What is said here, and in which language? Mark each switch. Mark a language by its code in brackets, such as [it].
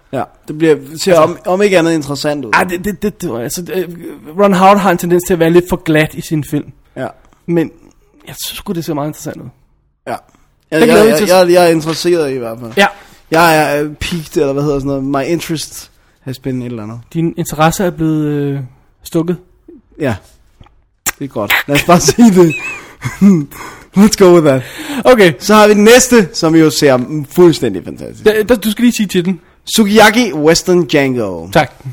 [da] Ja, det bliver ser altså, om ikke andet interessant ud. Ja, det altså, Ron Howard har en tendens til at være lidt for glat i sin film. Ja. Men jeg synes sgu, det ser meget interessant ud. Ja. Jeg er interesseret i hvert fald. Ja. Jeg er piqued, eller hvad hedder sådan noget. [en] My interest has been [da] et eller andet. Din interesse er blevet stukket. Ja. Det er godt. Lad os bare sige det. [en] Let's go with that. [da] Okay. Så har vi den næste, som jo ser fuldstændig fantastisk. Du skal lige sige titlen. Sukiyaki Western Django. Tak.